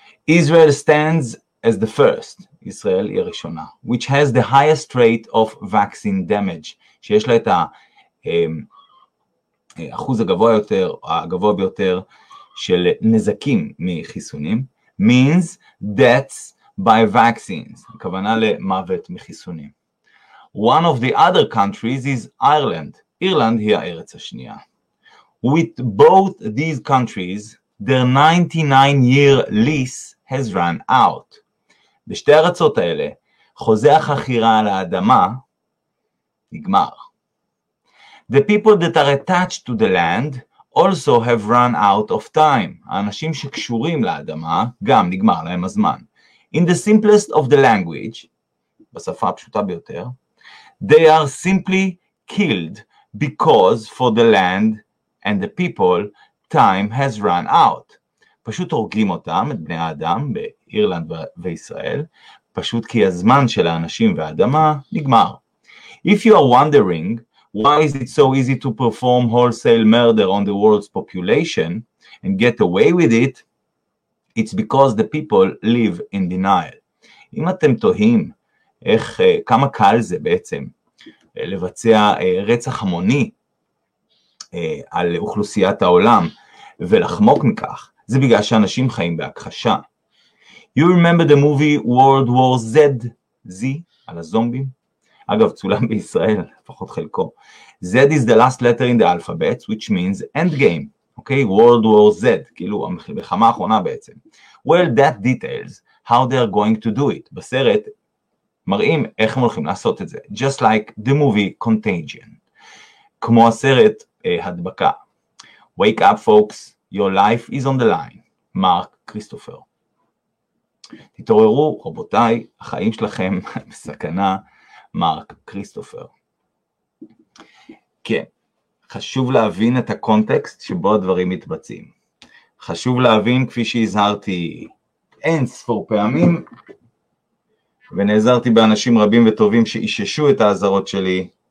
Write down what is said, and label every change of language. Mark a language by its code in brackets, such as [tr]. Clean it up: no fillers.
[en] Israel stands as the first, [he] ישראל היא הראשונה, [en] which has the highest rate of vaccine damage, [he] שיש לה את האחוז הגבוה יותר, הגבוה ביותר של נזקים מחיסונים, [en] means deaths by vaccines, [he] הכוונה למוות מחיסונים. [en] One of the other countries is Ireland, [he] אירלנד היא הארץ השנייה. With both these countries, their 99-year lease has run out. בשתי ארצות האלה, חוזה החכירה על האדמה נגמר. [en] The people that are attached to the land also have run out of time. [he] האנשים שקשורים לאדמה גם נגמר להם הזמן. [en] In the simplest of the language, [he] בשפה הפשוטה ביותר, [en] they are simply killed because for the land and the people, time has run out. [he] פשוט הורגים אותם, את בני האדם, באירלנד וישראל, פשוט כי הזמן של האנשים והאדמה נגמר. [en] If you are wondering, why is it so easy to perform wholesale murder on the world's population and get away with it, it's because the people live in denial. [he] אם אתם תוהים איך, כמה קל זה בעצם לבצע רצח המוני, על אוכלוסיית העולם ולחמוק מכך, זה בגלל שאנשים חיים בהכחשה. [en] You remember the movie World War Z, Z, [he] על הזומבים? אגב, צולם בישראל, פחות חלקו. [en] Z is the last letter in the alphabet, which means endgame, okay? [he] World War Z, כאילו המלחמה האחרונה בעצם. [en] Well, that details how they are going to do it. [he] בסרט מראים איך הם הולכים לעשות את זה. [en] Just like the movie Contagion. [he] כמו הסרט הדבקה. [en] Wake up folks, your life is on the line. [he] מרק קריסטופר. תתעוררו רבותיי, החיים שלכם בסכנה. מרק קריסטופר. כן, חשוב להבין את הקונטקסט שבו הדברים מתבצעים. חשוב להבין, כפי שהזהרתי אין ספור פעמים, ונעזרתי באנשים רבים וטובים שאיששו את האזהרות שלי,